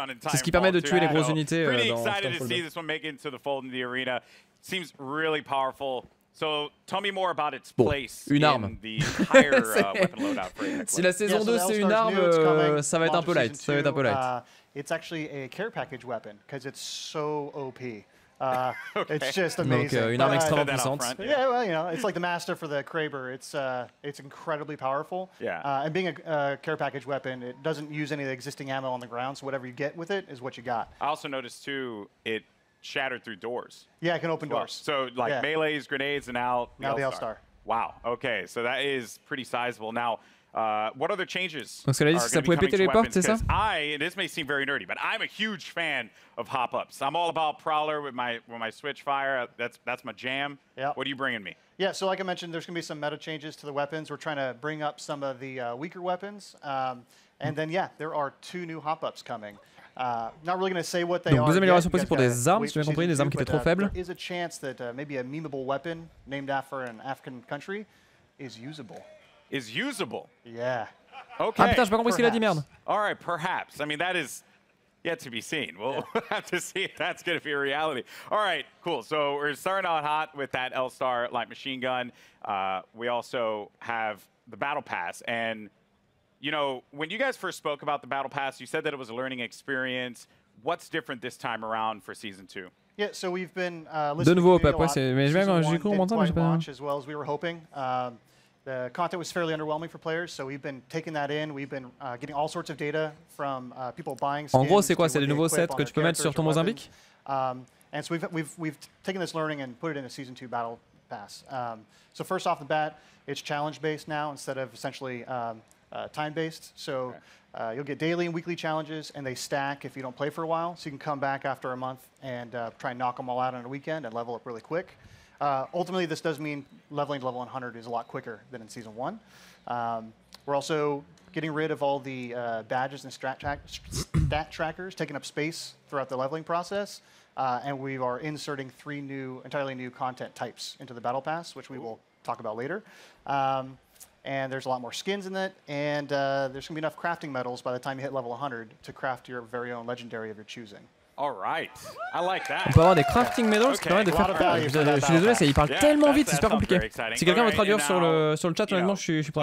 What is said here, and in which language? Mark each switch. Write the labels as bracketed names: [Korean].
[French] C'est ce qui permet de tuer les grosses unités dans Titanfall 2. [English] So, tell me more about its [French] bon, [English] place [French] une arme. [English] In the higher, weapon loadout for [French] si la saison 2 c'est une arme, ça va être un peu light. [English] It's actually a care package weapon because it's so OP. okay. It's just amazing. [French] Donc, une arme extrêmement puissante. [English] Yeah, well, you know, it's like the master for the Kraber. It's incredibly powerful. Yeah. And being a care package weapon, it doesn't use any of the existing ammo on the ground, so whatever you get with it is what you got. I also noticed, too, it shattered through doors. Yeah, it can open doors. So, like, yeah. Melees, grenades, and now the L-Star. Wow. Okay, so that is pretty sizable. Now, what other changes? [French] Donc, ça, ça pouvait péter les portes, c'est ça? [English] This may seem very nerdy, but I'm a huge fan of hop-ups. I'm all about Prowler with my Switch Fire. That's my jam. Yeah. What are you bringing me? Yeah, so like I mentioned, there's going to be some meta changes to the weapons. We're trying to bring up some of the weaker weapons. And then, yeah, there are two new hop-ups coming. Not really going to say what they [French] are. Deux améliorations possibles pour des armes, si tu m'as compris, des armes qui étaient trop faibles. [English] There is a chance that maybe a memeable weapon named after an African country is usable. Is usable. Yeah. Okay. [French] Ah putain, j'ai pas compris ce qu'il a dit, merde. [English] All right, perhaps. I mean, that is yet to be seen. We'll have to see if that's going to be a reality. All right, cool. So we're starting out hot with that L-Star light machine gun. We also have the Battle Pass. And, you know, when you guys first spoke about the Battle Pass, you said that it was a learning experience. What's different this time around for Season 2? Yeah, so we've been listening to you a lot. The content was fairly underwhelming for players, so we've been taking that in. We've been getting all sorts of data from people buying skins. [French] En gros, c'est quoi? C'est les nouveaux sets que tu peux mettre sur ton Mozambique? [English] And so we've taken this learning and put it in a Season 2 Battle Pass. So first off the bat, it's challenge-based now instead of essentially time-based. So you'll get daily and weekly challenges, and they stack if you don't play for a while. So you can come back after a month and try and knock them all out on a weekend and level up really quick. Ultimately, this does mean leveling to level 100 is a lot quicker than in Season 1. We're also getting rid of all the badges and stat trackers, taking up space throughout the leveling process. And we are inserting three new, entirely new content types into the Battle Pass, which we will talk about later. And there's a lot more skins in it. And there's going to be enough crafting medals by the time you hit level 100 to craft your very own legendary of your choosing. All right. I like that. [French] On peut avoir des crafting medals, okay. Ça permet de faire. Je suis désolé, il parle tellement vite, c'est super compliqué. Si quelqu'un veut traduire sur le chat, honnêtement, je suis prêt.